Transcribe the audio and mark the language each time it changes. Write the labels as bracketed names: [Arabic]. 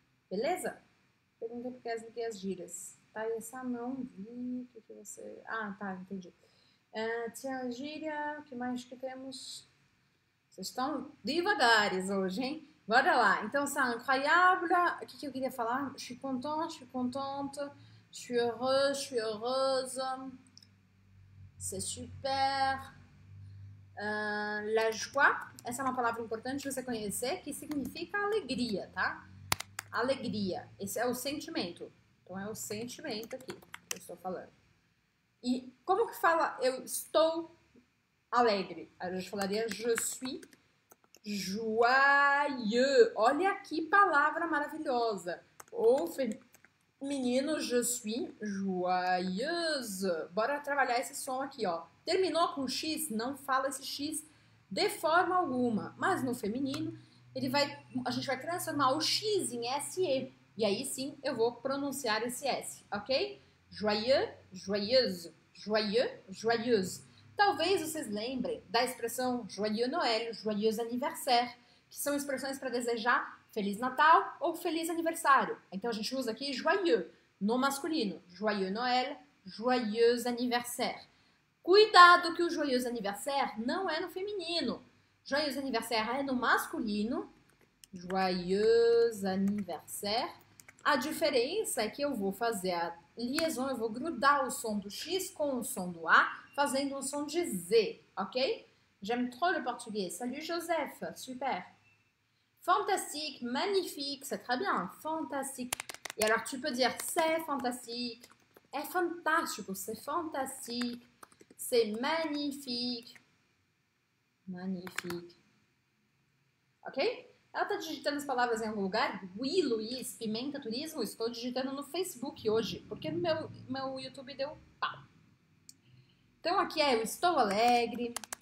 [Portuguese] Beleza? Perguntei porque as gírias. Tá, essa não vi. O que que você. Ah, tá, entendi. Tia gíria, o que mais que temos? Vocês estão devagares hoje, hein? Bora lá. Então, [French] c'est incroyable. [Portuguese] O que que eu queria falar? [French] Je suis contente, je suis contente. Je suis heureuse, je suis heureuse. C'est super. [Portuguese] La joie, essa é uma palavra importante você conhecer, que significa alegria, tá? Alegria, esse é o sentimento. Então é o sentimento aqui que eu estou falando. E como que fala eu estou alegre? A gente falaria [French] je suis joyeux. [Portuguese] Olha que palavra maravilhosa. Ou menino, [French] je suis joyeuse. [Portuguese] Bora trabalhar esse som aqui, ó. Terminou com X, não fala esse X de forma alguma. Mas no feminino, a gente vai transformar o X em SE. E aí sim eu vou pronunciar esse S, ok? Joyeux, joyeuse, joyeux, joyeuse. Talvez vocês lembrem da expressão [French] Joyeux Noël, Joyeux Anniversaire, [Portuguese] que são expressões para desejar Feliz Natal ou Feliz Aniversário. Então a gente usa aqui joyeux no masculino. [French] Joyeux Noël, joyeux anniversaire. [Portuguese] Cuidado que o joyeux anniversaire não é no feminino. Joyeux anniversaire é no masculino. Joyeux anniversaire. A diferença é que eu vou fazer a liaison, eu vou grudar o som do X com o som do A, fazendo um som de Z, ok? [French] J'aime trop le portugais. Salut Joseph, super. Fantastique, magnifique, c'est très bien, fantastique. Et alors tu peux dire c'est fantastique, [Italian] è fantastico, [French] c'est fantastique, c'est magnifique, magnifique. Ok? [Portuguese] Ela está digitando as palavras em algum lugar? Oui, Luiz, Pimenta Turismo, estou digitando no Facebook hoje, porque meu YouTube deu pau. Então aqui é eu estou alegre.